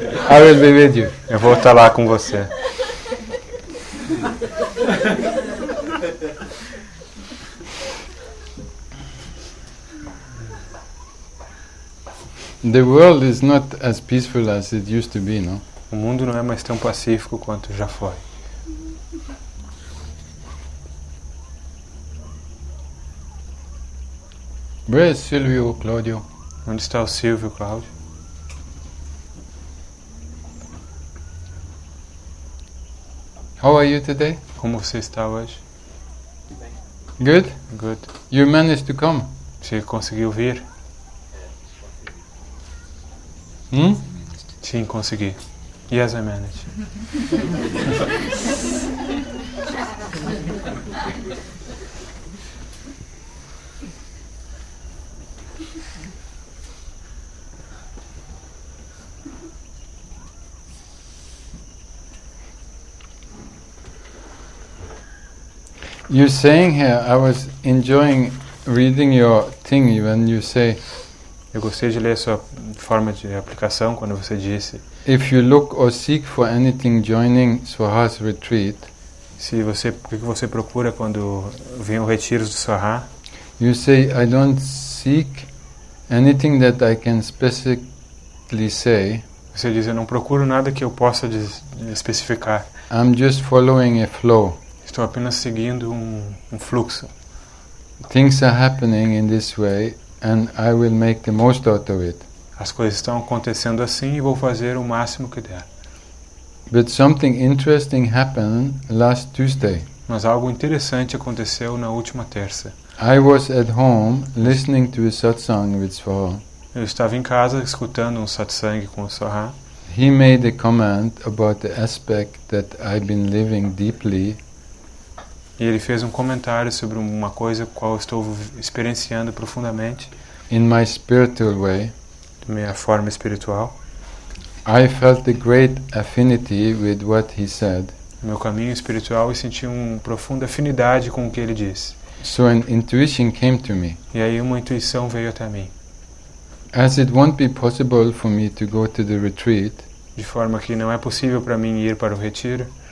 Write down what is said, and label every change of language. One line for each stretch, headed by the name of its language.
English: I will be with you.
Portuguese: Eu vou estar lá com você.
English: The world is not as peaceful as it used to be, no?
Portuguese: O mundo não é mais tão pacífico quanto já foi.
English: Where is Silvio Claudio?
Portuguese: Onde está o Silvio Claudio?
English: How are you today?
Portuguese: Como você está hoje? Bem.
English: Good? Good. You managed to come?
Portuguese: Você conseguiu vir? Hmm? Sim, consegui.
English: Yes, I managed. You're saying here, I was enjoying reading your thing when you say.
Portuguese: Eu gostei de ler a sua forma de aplicação quando você disse.
English: If you look or seek for anything joining Swaha's retreat.
Portuguese: Se você, o que você procura quando vem o retiro do Swaha?
English: You say, I don't seek anything that I can specifically say.
Portuguese: Você diz, eu não procuro nada que eu possa especificar.
English: I'm just following a flow.
Portuguese: Estou apenas seguindo um fluxo.
English: Things are happening in this way, and I will make the most out of it.
Portuguese: As coisas estão acontecendo assim e vou fazer o máximo que der.
English: But something interesting happened last Tuesday.
Portuguese: Mas algo interessante aconteceu na última terça.
English: I was at home listening to a satsang with Swaha.
Portuguese: Eu estava em casa escutando um satsang com o Swaha.
English: He made a comment about the aspect that I've been living deeply.
Portuguese: E ele fez um comentário sobre uma coisa qual eu estou experienciando profundamente.
English: In my spiritual way,
Portuguese: de minha forma espiritual,
English: I felt a great affinity with what he said.
Portuguese: Meu caminho espiritual, e senti uma profunda afinidade com o que ele disse.
English: So an intuition came to me.
Portuguese: E aí uma intuição veio até mim.
English: As it won't be possible for me to go to the retreat,
Portuguese: de forma que não é possível para mim ir para o retiro.